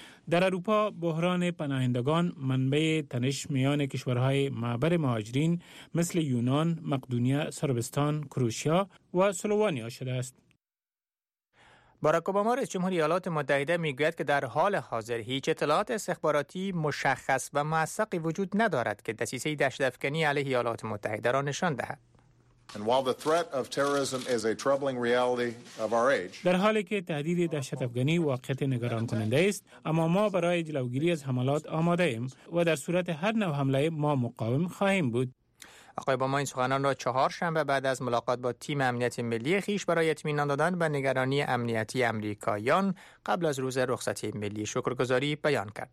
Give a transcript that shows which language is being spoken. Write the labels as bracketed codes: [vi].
[fa] در اروپا بحران پناهندگان منبع تنش میان کشورهای معبر مهاجرین مثل یونان، مقدونیه، صربستان، کروشیا و سلووانیا شده است. باراک اوباما رئیس جمهور ایالات متحده میگوید که در حال حاضر هیچ اطلاعات استخباراتی مشخص و موثقی وجود ندارد که دسیسه دهشت افکنی علیه ایالات متحده را نشان دهد. [en] And while the threat of terrorism is a troubling reality of our age, [fa] در حالی که تهدید دهشت افغانی واقعیت نگران کننده است، اما ما برای جلوگیری از حملات آماده ایم و در صورت هر نوع حمله ما مقاوم خواهیم بود. آقای اوباما این سخنان را چهارشنبه بعد از ملاقات با تیم امنیت ملی خیش برای اطمینان دادن به نگرانی امنیتی آمریکاییان قبل از روز رخصتی ملی شکرگزاری بیان کرد.